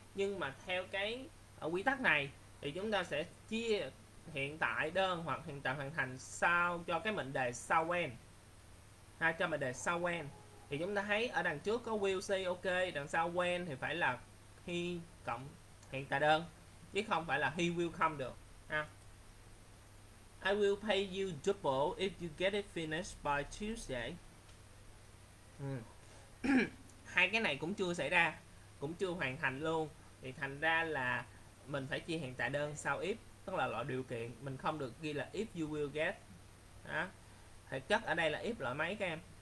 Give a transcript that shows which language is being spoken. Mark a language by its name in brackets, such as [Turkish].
[Vietnamese] Nhưng mà theo cái ở quy tắc này thì chúng ta sẽ chia hiện tại đơn hoặc hiện tại hoàn thành sau cho cái mệnh đề sau when, hai cho mệnh đề sau when. Thì chúng ta thấy ở đằng trước có will see, ok, đằng sau when thì phải là he cộng hiện tại đơn chứ không phải là [English] he will come [Vietnamese] được ha. [English] I will pay you double if you get it finished by Tuesday. [Vietnamese] Hai cái này cũng chưa xảy ra, cũng chưa hoàn thành luôn, thì thành ra là mình phải chia hiện tại đơn sau if, tức là loại điều kiện, mình không được ghi là [English] if you will get. [Vietnamese] Đó. Thực chất ở đây là if loại máy các em.